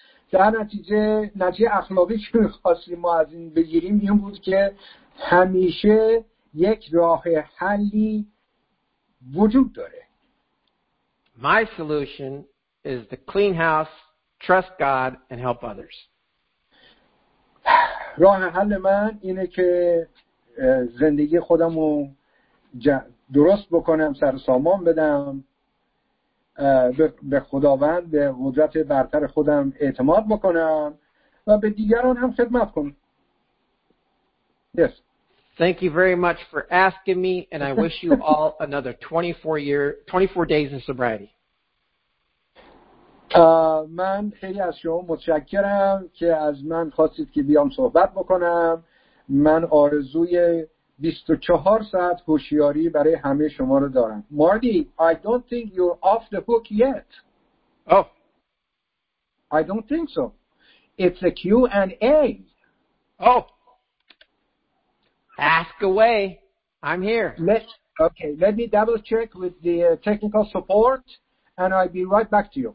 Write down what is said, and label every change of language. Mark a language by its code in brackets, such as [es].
[fa] در نتیجه اخلاقی که می‌خواستیم ما از این بگیریم این بود که همیشه یک راه حلی وجود داره. [en] My solution is the clean house, trust God and help others. [fa] راه حل من اینه که زندگی خودم رو درست بکنم، سر سامان بدم. به خداوند به قدرت برتر خودم اعتماد بکنم و به دیگران هم خدمت کنم. [en] Yes. Thank you very much for asking me and I wish you all another 24 days in sobriety. [fa] من خیلی از شما متشکرم که از من خواستید که بیام صحبت بکنم. من آرزوی 24 ساعت هوشیاری برای همه شما رو دارم. [en] Marty, I don't think you're off the hook yet. Oh. I don't think so. It's a Q&A. Oh. Ask away. I'm here. Let me double check with the technical support and I'll be right back to you.